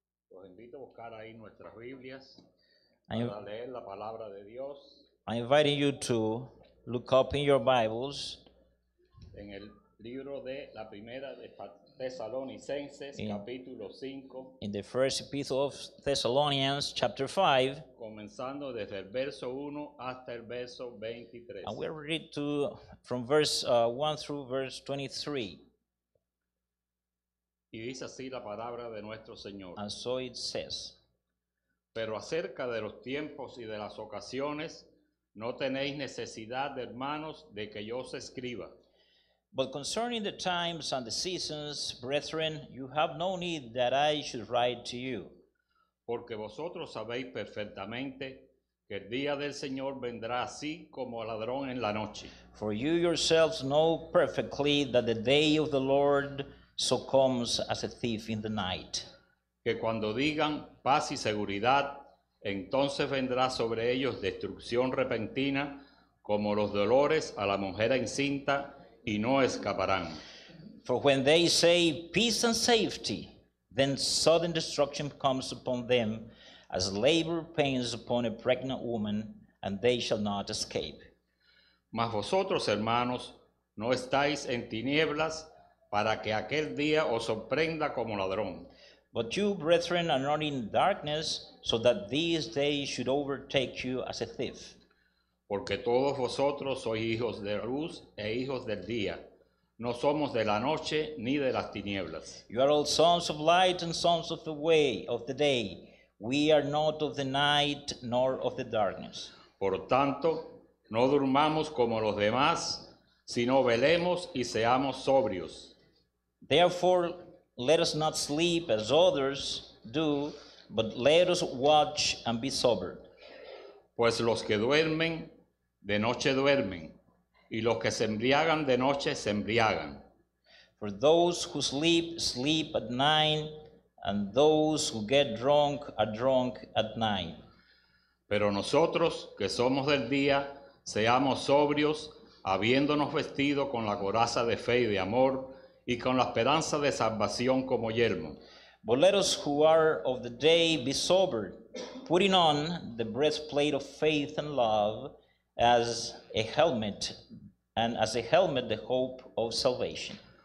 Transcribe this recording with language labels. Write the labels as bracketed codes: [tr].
[es] Los invito a buscar ahí nuestras Biblias para leer la palabra de Dios. [en] I'm inviting you to look up in your Bibles. [es] En el libro de la primera de Tesalonicenses, capítulo 5. [en] In the first epistle of Thessalonians, chapter 5. [es] Comenzando desde el verso 1 hasta el verso 23. [en] And we'll read to, from verse 1 through verse 23. [es] Y dice así la palabra de nuestro Señor. [en] And so it says. [es] Pero acerca de los tiempos y de las ocasiones, no tenéis necesidad, hermanos, de que yo os escriba. [en] But concerning the times and the seasons, brethren, you have no need that I should write to you. [es] Porque vosotros sabéis perfectamente que el día del Señor vendrá así como ladrón en la noche. [en] For you yourselves know perfectly that the day of the Lord so comes as a thief in the night. [es] Que cuando digan paz y seguridad, entonces vendrá sobre ellos destrucción repentina como los dolores a la mujer encinta. Y no escaparán. [en] For when they say peace and safety, then sudden destruction comes upon them as labor pains upon a pregnant woman, and they shall not escape. [es] Mas vosotros, hermanos, no estáis en tinieblas para que aquel día os sorprenda como ladrón. [en] But you, brethren, are not in darkness so that this day should overtake you as a thief. [es] Porque todos vosotros sois hijos de la luz e hijos del día. No somos de la noche ni de las tinieblas. [en] You are all sons of light and sons of the way, of the day. We are not of the night nor of the darkness. [es] Por tanto, no durmamos como los demás, sino velemos y seamos sobrios. [en] Therefore, let us not sleep as others do, but let us watch and be sober. [es] Pues los que duermen, de noche duermen, y los que se embriagan de noche se embriagan. [en] For those who sleep, sleep at night, and those who get drunk are drunk at night. [es] Pero nosotros que somos del día, seamos sobrios, habiéndonos vestido con la coraza de fe y de amor, y con la esperanza de salvación como yelmo. [en] But let us who are of the day be sober, putting on the breastplate of faith and love as a helmet, and as a helmet the hope of salvation.